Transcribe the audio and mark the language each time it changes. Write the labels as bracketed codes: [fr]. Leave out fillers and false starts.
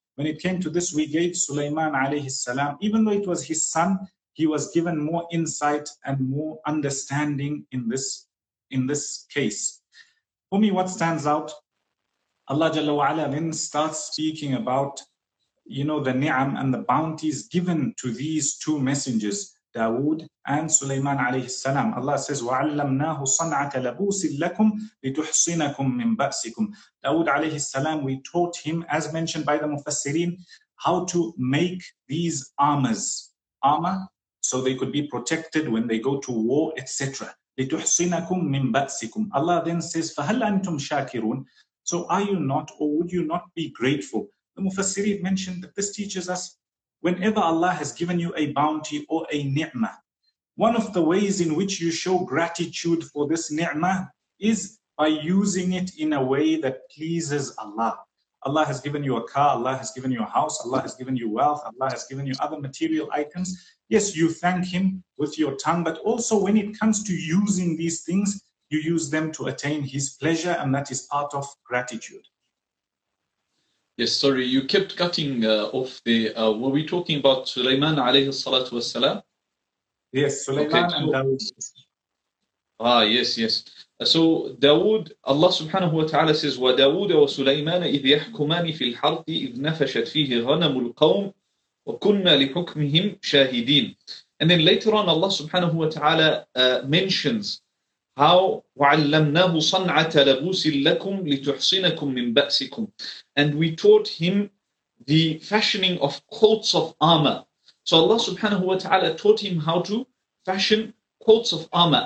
[en] When it came to this, we gave Sulaiman alayhi salam, even though it was his son, he was given more insight and more understanding in this case. For me, what stands out, Allah Jalla wa Ala then starts speaking about, you know, the ni'am and the bounties given to these two messengers, Dawood and Sulaiman alayhi salam. Allah says, [ar] وَعَلَّمْنَاهُ صَنْعَةَ لَبُوسٍ لَكُمْ لِتُحْصِنَكُمْ مِنْ بَأْسِكُمْ. [en] Dawood alayhi salam, we taught him, as mentioned by the Mufassirin, how to make these armor, so they could be protected when they go to war, etc. [ar] لِتُحْصِنَكُمْ مِنْ بَأْسِكُمْ. [en] Allah then says, [ar] فَهَلْ أَنْتُمْ شَاكِرُونَ. [en] So are you not, or would you not be grateful? The Mufassirin mentioned that this teaches us, whenever Allah has given you a bounty or a ni'mah, one of the ways in which you show gratitude for this ni'mah is by using it in a way that pleases Allah. Allah has given you a car, Allah has given you a house, Allah has given you wealth, Allah has given you other material items. Yes, you thank Him with your tongue, but also when it comes to using these things, you use them to attain His pleasure, and that is part of gratitude. Yes, sorry, you kept cutting off the... were we talking about Sulaiman alayhi salatu wassalam? Yes, Sulaiman, okay, and Dawood. Yes. So Dawood, Allah subhanahu wa ta'ala says, [ar] وَدَوُودَ وَسُلَيْمَانَ إِذْ يَحْكُمَانِ فِي الْحَرْثِ إِذْ نَفَشَتْ فِيهِ غَنَمُ الْقَوْمِ وَكُنَّا لِحُكْمِهِمْ شَاهِدِينَ. [en] And then later on, Allah subhanahu wa ta'ala mentions how [ar] وَعَلَّمْنَاهُ صَنْعَةَ لَبُوسٍ لَكُمْ لِتُحْصِنَكُمْ مِنْ بَأْسِكُمْ. [en] And we taught him the fashioning of coats of armor. So Allah subhanahu wa ta'ala taught him how to fashion coats of armor.